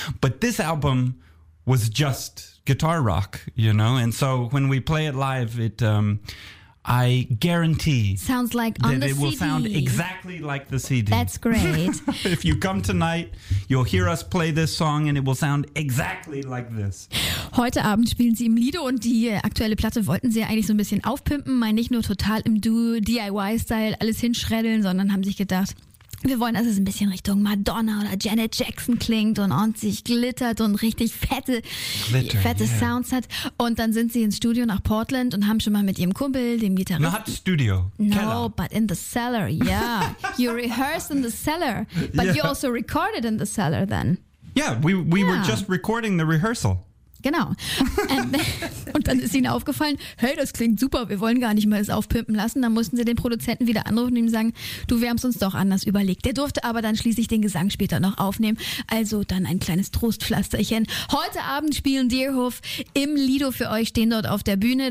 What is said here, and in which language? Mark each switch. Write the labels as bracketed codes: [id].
[en] But this album was just guitar rock, you know. And so when we play it live, I guarantee sounds like on the it CD. Will sound exactly like the CD. That's great. If you come tonight, you'll hear us play this song and it will sound exactly like this. [de] Heute Abend spielen sie im Lido und die aktuelle Platte wollten sie ja eigentlich so ein bisschen aufpimpen. Mal nicht nur total im DIY-Style alles hinschreddeln, sondern haben sich gedacht, wir wollen, dass es ein bisschen Richtung Madonna oder Janet Jackson klingt und ordentlich glittert und richtig fette Sounds hat. Und dann sind sie ins Studio nach Portland und haben schon mal mit ihrem Kumpel, dem Gitarristen... [en] Not studio, no, [de] Keller. [en] But in the cellar, yeah. You rehearsed in the cellar, but you also recorded in the cellar then. Yeah, we were just recording the rehearsal. [de] Genau. Und dann ist ihnen aufgefallen, hey, das klingt super, wir wollen gar nicht mal es aufpimpen lassen. Dann mussten sie den Produzenten wieder anrufen und ihm sagen, du, wir haben es uns doch anders überlegt. Der durfte aber dann schließlich den Gesang später noch aufnehmen. Also dann ein kleines Trostpflasterchen. Heute Abend spielen Deerhoof im Lido für euch, stehen dort auf der Bühne.